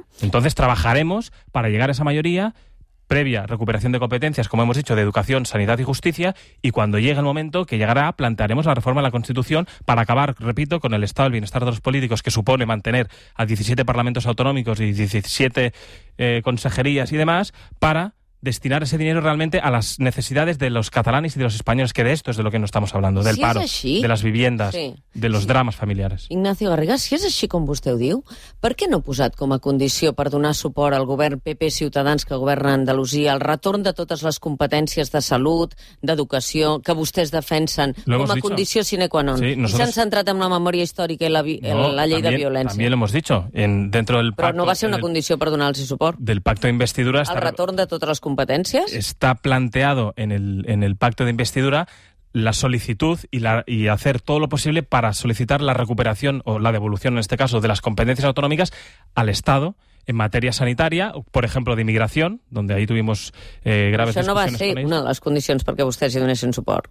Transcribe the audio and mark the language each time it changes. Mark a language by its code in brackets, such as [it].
[es] Entonces trabajaremos para llegar a esa mayoría, previa recuperación de competencias, como hemos dicho, de educación, sanidad y justicia, y cuando llegue el momento que llegará, plantearemos la reforma de la Constitución para acabar, repito, con el Estado del bienestar de los políticos, que supone mantener a 17 parlamentos autonómicos y 17 consejerías y demás, para destinar ese dinero realmente a las necesidades de los catalanes y de los españoles, que de esto es de lo que no estamos hablando, del si paro, [ca] així, [es] de las viviendas, sí, de los sí. dramas familiares. [ca] Ignacio Garriga, si és així com vostè ho diu, per què no ha posat com a condició per donar suport al govern PP-Ciutadans que governa Andalusia el retorn de totes les competències de salut, d'educació, que vostès defensen com a condició sine qua non? [es] Sí, nosotros... [ca] I s'han centrat en la memòria històrica i la, la llei [es] también, [ca] de violència. També l'hem dit. Però [es] pacto, [ca] no va ser una condició per donar-los suport? Del pacte d'investidura... El retorn de totes les competències? Està [es] planteado en [ca] el pacte d'investidura [es] la solicitud y, la, y hacer todo lo posible para solicitar la recuperación o la devolución, en este caso, de las competencias autonómicas al Estado en materia sanitaria, por ejemplo, de inmigración, donde ahí tuvimos graves discusiones. [ca] Això no va ser una de les condicions perquè vostès hi donessin suport.